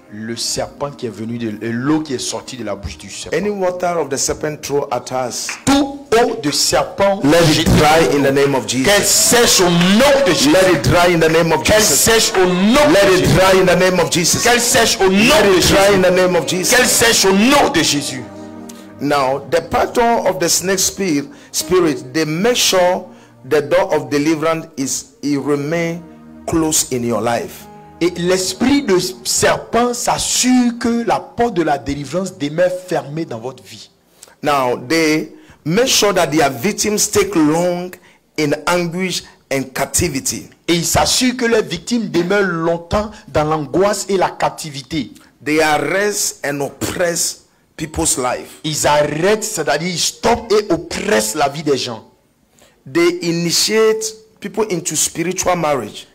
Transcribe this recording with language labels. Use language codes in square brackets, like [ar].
[fr] Le serpent qui est venu de l'eau qui est sortie de la bouche du serpent. [en] Any water of the serpent throw at us. [fr] Tout eau de serpent. [en] Let it dry in the name of Jesus. [fr] Qu'elle sèche au nom de Jésus. [en] Let it dry in the name of Jesus. [fr] Qu'elle sèche au nom de Jésus. [en] Let it dry in the name of Jesus. [fr] Qu'elle sèche au nom de Jésus. [en] Let it dry in the name of Jesus. [fr] Qu'elle sèche au nom de Jésus. [en] Now the pattern of the snake spirit, they make sure the door of deliverance is it remain close in your life. [fr] Et l'esprit de serpent s'assure que la porte de la délivrance demeure fermée dans votre vie. [en] Now they make sure that their victims stay long in anguish and captivity. [fr] Et ils s'assurent que leurs victimes demeurent longtemps dans l'angoisse et la captivité. [en] They arrest and oppress people's life. [fr] Ils arrêtent, c'est-à-dire ils stoppent et oppressent la vie des gens. [en] They initiate people into spiritual marriage.